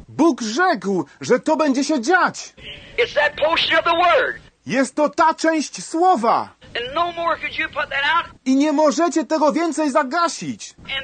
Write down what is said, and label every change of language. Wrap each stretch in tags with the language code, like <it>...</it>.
<pl>Bóg rzekł, że to będzie się dziać.</pl> <en>It's that portion of the word.</en> <pl>Jest to ta część słowa.</pl> <en>And no more could you put that out.</en> <pl>I nie możecie tego więcej zagasić.</pl>